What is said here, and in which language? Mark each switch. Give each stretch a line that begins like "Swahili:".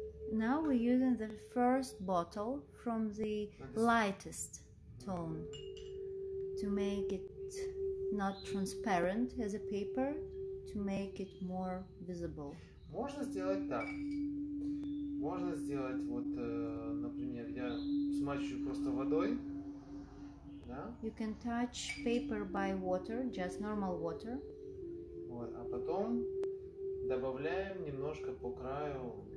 English: Now we're using the first bottle from the lightest tone to make it not transparent as a paper, to make it more visible.
Russian: Можно сделать так. Можно сделать вот, например, я смачиваю просто водой. Да?
English: You can touch paper by water, just normal water.
Russian: Вот, а потом добавляем немножко по краю.